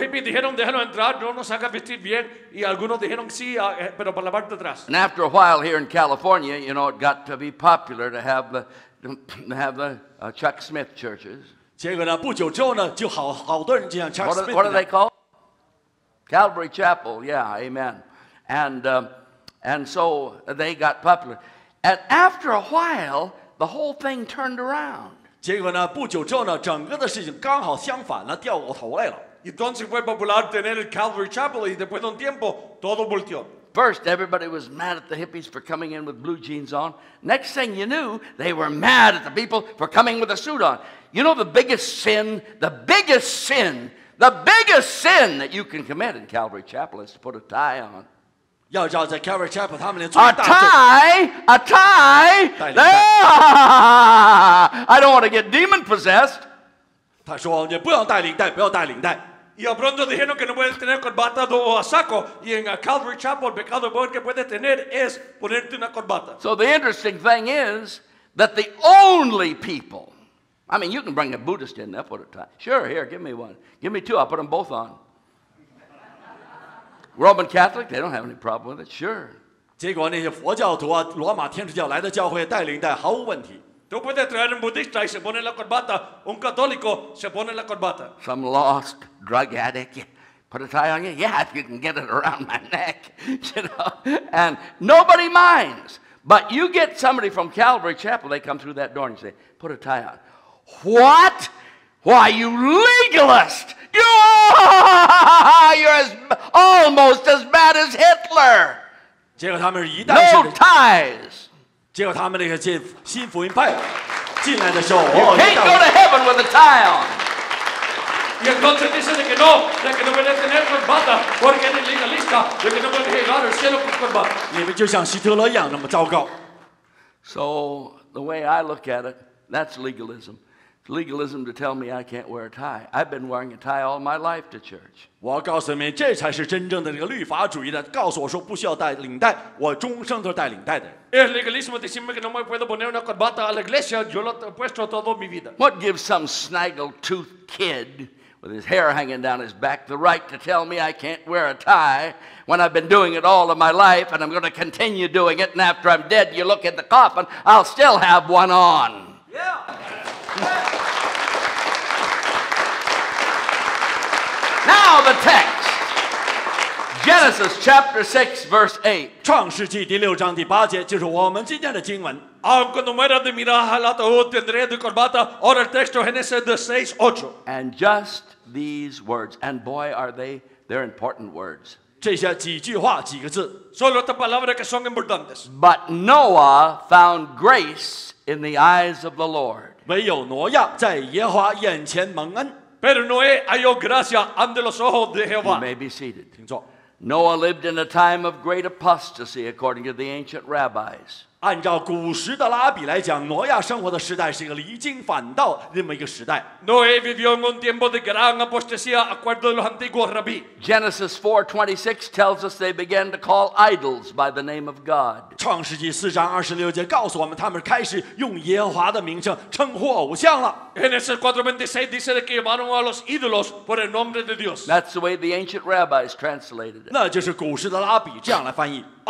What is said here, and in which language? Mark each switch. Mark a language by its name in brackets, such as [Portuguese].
[Spanish] hippies dijeron, déjalo entrar, no nos haga vestir bien, y algunos dijeron sí, pero para la parte de atrás. [English] And after a while here in California, you know, it got to be popular to have the Chuck Smith churches. [Chinese] 结果呢，不久之后呢，就好多人就像 Chuck Smith. [English] What are they called? Calvary Chapel, yeah, amen. And so they got popular. And after a while, the whole thing turned around. [Chinese] 结果呢，不久之后呢，整个的事情刚好相反了，掉过头来了。 [Spanish] Entonces fue popular tener el Calvary Chapel y después de un tiempo todo volteó. [English] First, everybody was mad at the hippies for coming in with blue jeans on. Next thing you knew, they were mad at the people for coming with a suit on. You know the biggest sin that you can commit in Calvary Chapel is to put a tie on. A tie. I don't want to get demon possessed. [Chinese] 他说你不要带领带不要带领带 [Spanish] Y pronto dijeron que no puede tener corbata o saco. Y en Calvary Chapel, el pecado peor que puede tener es ponerte una corbata. [English] So the interesting thing is that the only people, I mean, you can bring a Buddhist in there for a time. Sure, here, give me one. Give me two, I'll put them both on. Roman Catholic, they don't have any problem with it, sure. [Chinese] 结果那些佛教徒啊，罗马天主教来的教会带领带毫无问题。 [Spanish] Tú puedes traer un budista y se pone la corbata. Un católico se pone la corbata. [English] Some lost drug addict. Put a tie on you? Yeah, if you can get it around my neck. You know? And nobody minds. But you get somebody from Calvary Chapel, they come through that door and say, put a tie on. What? Why, you legalist! You're as, almost as bad as Hitler! No ties! You can't go to heaven with a tie on. You can't go to heaven with a tie on. You can't go to heaven with a tie on. So, the way I look at it, that's legalism. It's legalism to tell me I can't wear a tie. I've been wearing a tie all my life to church. [Chinese] 我告诉你，这才是真正的这个律法主义的。告诉我说不需要带领带，我终生都是带领带的。 [Spanish] Es legalismo decirme que no me puedo poner una corbata a la iglesia. Yo lo he puesto toda mi vida. [English] What gives some snaggle-toothed kid with his hair hanging down his back the right to tell me I can't wear a tie when I've been doing it all of my life and I'm going to continue doing it? And after I'm dead, you look in the coffin, I'll still have one on. Yeah. Now the text. Genesis chapter 6 verse 8. [Chinese] 创世纪第六章第八节就是我们今天的经文。 [Spanish] Aunque no muera de mirar al ataúd tendré de corbata. Ahora el texto Genesis 6, 8. [English] And just these words. And boy are they're important words. [Chinese] 这些几句话几个字。 [Spanish] Solo estas palabras que son importantes. [English] But Noah found grace in the eyes of the Lord. [Chinese] 唯有挪亚在耶和华眼前蒙恩。 [Spanish] Pero Noé halló gracia ante los ojos de Jehová. [English] You may be seated. [Chinese] 请坐。 [English] Noah lived in a time of great apostasy, according to the ancient rabbis. [Chinese] 按照古时的拉比来讲，挪亚生活的时代是一个离经反道那么一个时代。 [Spanish] Noé vivió en un tiempo de gran apostasía, acuerdo a los antiguos rabí. [English] Genesis 4:26 tells us they began to call idols by the name of God. [Chinese] 创世纪四章二十六节告诉我们，他们开始用耶和华的名称称呼偶像了。 [Spanish] Genesis 4:26 dice que llamaron a los ídolos por el nombre de Dios. [English] That's the way the ancient rabbis translated it. [Chinese] 那就是古时的拉比这样来翻译。